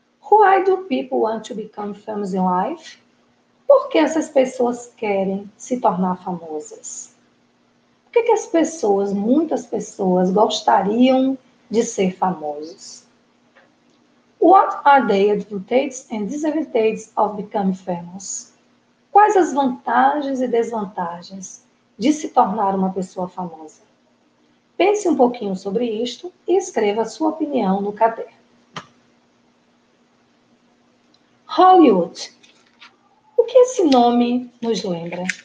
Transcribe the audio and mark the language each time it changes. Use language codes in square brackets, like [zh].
[en] Why do people want to become famous in life? [pt] Por que essas pessoas querem se tornar famosas? Por que, que as pessoas, muitas pessoas, gostariam de ser famosos. [en] What are the advantages and disadvantages of becoming famous? [pt] Quais as vantagens e desvantagens de se tornar uma pessoa famosa? Pense um pouquinho sobre isto e escreva a sua opinião no caderno. Hollywood. O que esse nome nos lembra?